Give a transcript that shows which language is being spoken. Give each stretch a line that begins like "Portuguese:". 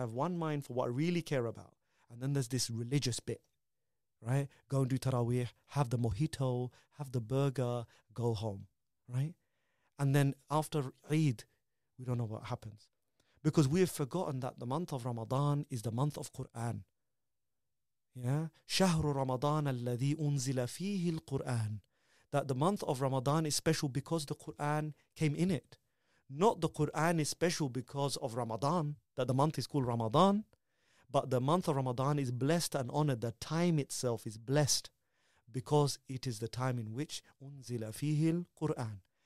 English: I have one mind for what I really care about. And then there's this religious bit, right? Go and do taraweeh, have the mojito, have the burger, go home, right? And then after Eid, we don't know what happens. Because we have forgotten that the month of Ramadan is the month of Quran. Yeah?
Arabic: شهر رمضان الذي أنزل فيه القرآن.
English: That the month of Ramadan is special because the Quran came in it. Not the Quran is special because of Ramadan, that the month is called Ramadan. But the month of Ramadan is blessed and honored. The time itself is blessed because it is the time in which unzila fihil Quran.